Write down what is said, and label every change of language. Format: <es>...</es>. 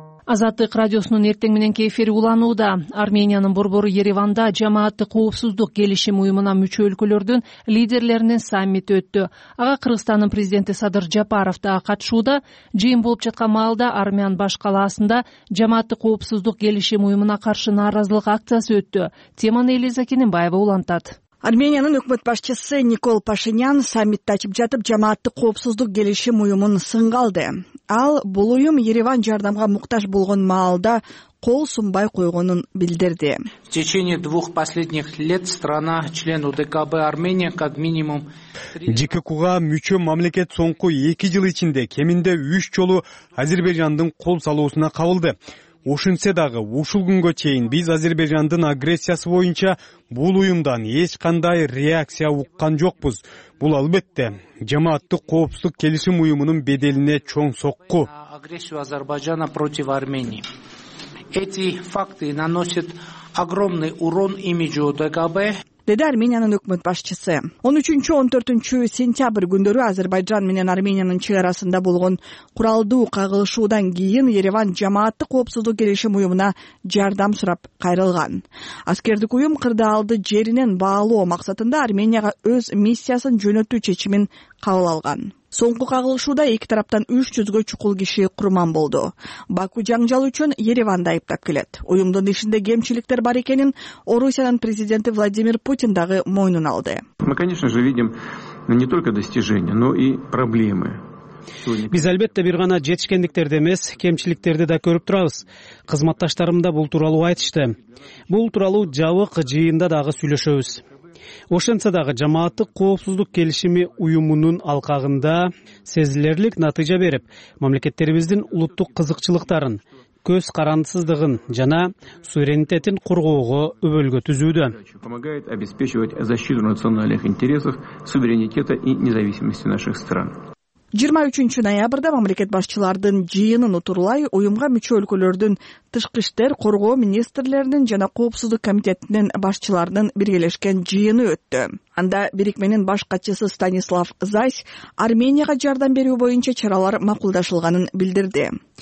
<ky>Азаттык радиосунун эртең мененки эфири уланууда. Армениянын борбору Ереванда жамааттык коопсуздук келишим уюмуна мүчө өлкөлөрдүн лидерлеринин саммити өттү. Ага Кыргызстандын президенти Садыр Жапаров да катышууда. Жыйын болуп жаткан маалда Армян баш калаасында жамааттык коопсуздук келишим уюмуна каршы нааразылык акциясы өттү. Теманы Элиза Кененбаева улантат. Армениянын өкмөт башчысы Никол Пашинян саммитти ачып жатып, жамааттык коопсуздук келишим уюмун сынга алды. Ал бул уюм Ереван жардамга муктаж болгон маалда кол сунбай койгонун билдирди.</ky> <ru>В течение двух последних лет страна, член УДКБ Армения, как минимум...</ru> <ky>ЖКК-га мүчө мамлекет соңку 2 жыл ичинде кеминде 3 жолу Азербайжандын кол салуусуна кабылды. Ошентсе дагы ушул күнгө чейин биз Азербайжандын агрессиясы боюнча бул уюмдан эч кандай реакция уккан жокпуз. Бул албетте жамааттык коопсуздук келишим уюмунун беделине чоң сокку.</ky> <ru>Агрессия Азербайджана против Армении. Эти факты наносят огромный урон имиджу ДКБ.</ru> <ky>Деди Армениянын өкмөт башчысы. 13-14 сентябрь күндөрү Азербайджан менен Армениянын чек арасында болгон куралдуу кагылышуудан кийин Ереван жамааттык коопсуздук келишим уюмуна жардам сурап кайрылган. Аскердик уюм кырдаалды жеринен баалоо максатында Арменияга өз миссиясын жөнөтүү чечимин кабыл алган. Соңку кагылышууда эки тараптан 300 чукул киши курман болду. Баку жаңжал үчүн Ереванды айыптап келет. Уюмдун ишинде кемчиликтер бар экенин Орусиянын президенти Владимир Путин дагы мойнун алды.</ky> <ru>Мы, конечно же, видим не только достижения, но и проблемы.</ru> <ky>Биз албетте бир гана жетишкендиктерди эмес, кемчиликтерди да көрүп турабыз. Кызматташтарым да бул тууралуу айтышты. Бул тууралуу жабык жыйында дагы сүйлөшөбүз. Ошентсе дагы жамааттык коопсуздук келишими уюмунун алкагында сезилерлик натыйжа берип, мамлекеттерибиздин улуттук кызыкчылыктарын, көз карандысыздыгын жана суверенитетин коргоого өбөлгө түзүүдө.</ky> <ru>Помогает обеспечивать защиту национальных интересов, суверенитета и независимости наших стран.</ru> <ky>23 ноябрда мамлекет башчылардын жыйынын утурулай уюмга мүчө өлкөлөрдүн тышкы иштер, коргоо министрлеринин жана коопсуздук комитетинин башчыларынын биргелешкен жыйыны өттү. Анда Бирикменин баш катчысы Станислав Зайс Арменияга жардам берүү боюнча чаралар макулдашылганын билдирди.</ky>